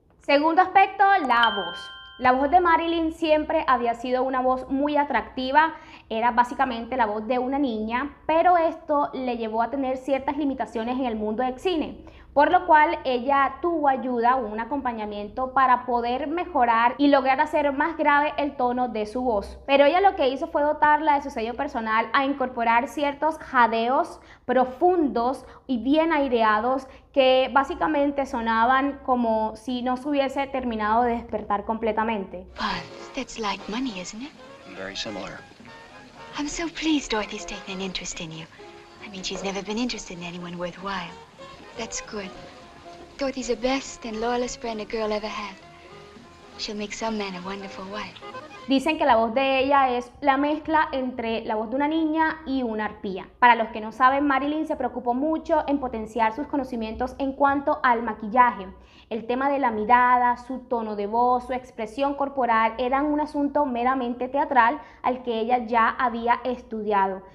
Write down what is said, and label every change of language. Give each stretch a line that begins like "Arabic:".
Spanish: Segundo aspecto, la voz. La voz de Marilyn siempre había sido una voz muy atractiva, era básicamente la voz de una niña, pero esto le llevó a tener ciertas limitaciones en el mundo del cine, por lo cual ella tuvo ayuda o un acompañamiento para poder mejorar y lograr hacer más grave el tono de su voz. Pero ella lo que hizo fue dotarla de su sello personal a incorporar ciertos jadeos profundos y bien aireados que básicamente sonaban como si no se hubiese terminado de despertar completamente.
English: Well, that's like money, isn't it? Very similar. I'm so pleased Dorothy's taken an interest in you. I mean, she's never been interested in anyone worthwhile. That's good. Dorothy's the best and loyalest friend a girl ever had. She'll make some man a wonderful wife.
Spanish: Dicen que la voz de ella es la mezcla entre la voz de una niña y una arpía. Para los que no saben, Marilyn se preocupó mucho en potenciar sus conocimientos en cuanto al maquillaje. El tema de la mirada, su tono de voz, su expresión corporal eran un asunto meramente teatral al que ella ya había estudiado.